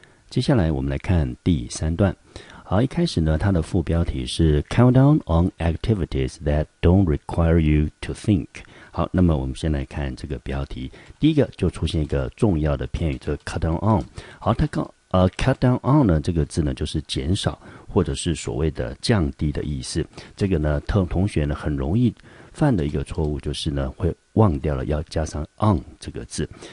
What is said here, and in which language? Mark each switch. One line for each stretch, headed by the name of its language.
Chinese: 接下来我们来看第三段。好，一开始呢，它的副标题是
English: Countdown on activities that don't require you to think。
Chinese: 好，那么我们先来看这个标题。第一个就出现一个重要的片语，就是 cut down on。好，它cut down on 呢这个字呢，就是减少或者是所谓的降低的意思。这个呢，同学呢很容易犯的一个错误就是呢，会忘掉了要加上 on 这个字。